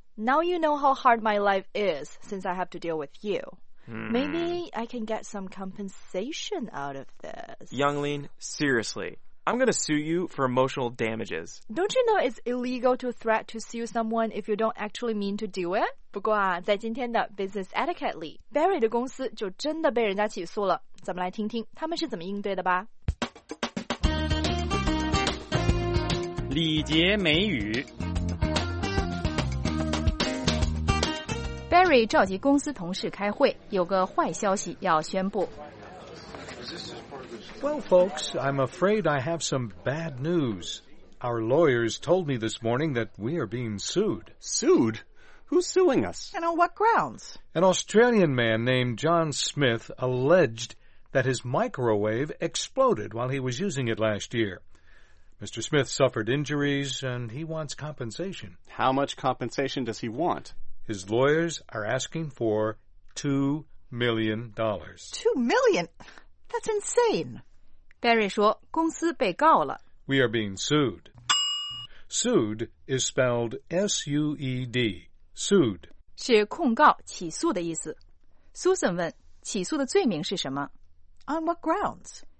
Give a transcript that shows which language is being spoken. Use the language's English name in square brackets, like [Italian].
[English] Now you know how hard my life is since I have to deal with you. Maybe I can get some compensation out of this. Younglin, seriously. I'm going to sue you for emotional damages. Don't you know it's illegal to threat to sue someone if you don't actually mean to do it? [Chinese] 不过啊，在今天的 [English] business etiquette [Chinese] 里， Barry 的公司就真的被人家起诉了。咱们来听听他们是怎么应对的吧。礼节美语。 Barry 召集公司同事开会，有个坏消息要宣布。 [English] Well, folks, I'm afraid I have some bad news. Our lawyers told me this morning that we are being sued. Sued? Who's suing us? And on what grounds? An Australian man named John Smith alleged that his microwave exploded while he was using it last year. Mr. Smith suffered injuries, and he wants compensation. How much compensation does he want? His lawyers are asking for $2 million. $2 million? That's insane. [Chinese] Barry 说公司被告了。 [English] We are being sued. Sued is spelled S-U-E-D. Sued. [Chinese] 是控告、起诉的意思。 Susan 问起诉的罪名是什么 [English] ?On what grounds?